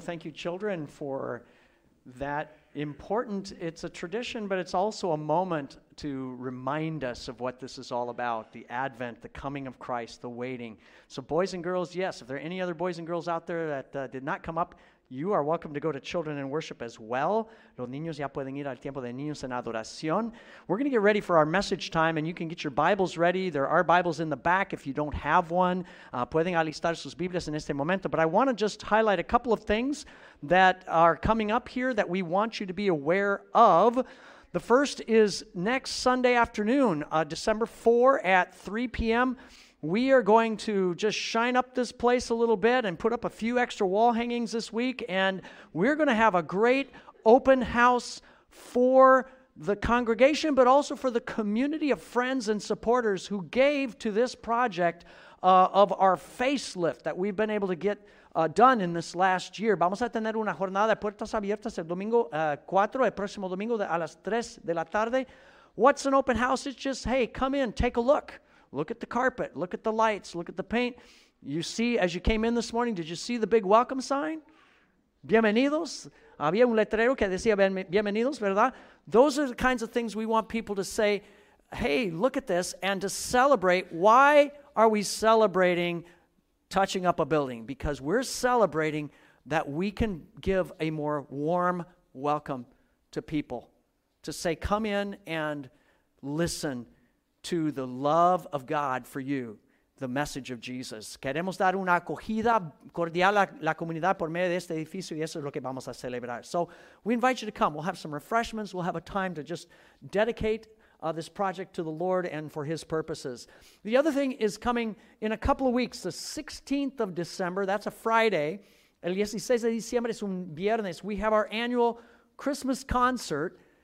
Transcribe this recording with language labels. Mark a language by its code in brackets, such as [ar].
[en] Thank you, children, for that important, it's a tradition, but it's also a moment to remind us of what this is all about, the Advent, the coming of Christ, the waiting. So boys and girls, yes, if there are any other boys and girls out there that did not come up, you are welcome to go to Children in Worship as well. [es] Los niños ya pueden ir al tiempo de niños en adoración. [en] We're going to get ready for our message time, and you can get your Bibles ready. There are Bibles in the back if you don't have one. [es] Pueden alistar sus Biblias en este momento. [en] But I want to just highlight a couple of things that are coming up here that we want you to be aware of. The first is next Sunday afternoon, December 4 at 3 p.m., we are going to just shine up this place a little bit and put up a few extra wall hangings this week, and we're going to have a great open house for the congregation, but also for the community of friends and supporters who gave to this project of our facelift that we've been able to get done in this last year. [es] Vamos a tener una jornada de puertas abiertas el domingo 4, el próximo domingo a las 3 de la tarde. [en] What's an open house? It's just, hey, come in, take a look. Look at the carpet, look at the lights, look at the paint. You see, as you came in this morning, did you see the big welcome sign? Bienvenidos. [es] Había un letrero que decía bienvenidos, ¿verdad? [en] Those are the kinds of things we want people to say, hey, look at this, and to celebrate. Why are we celebrating touching up a building? Because we're celebrating that we can give a more warm welcome to people, to say, come in and listen to the love of God for you, the message of Jesus. [es] Queremos dar una acogida cordial a la comunidad por medio de este edificio, y eso es lo que vamos a celebrar. [en] So we invite you to come. We'll have some refreshments. We'll have a time to just dedicate this project to the Lord and for his purposes. The other thing is coming in a couple of weeks, the 16th of December, that's a Friday, [es] El 16 de diciembre es un viernes. [en] We have our annual Christmas concert.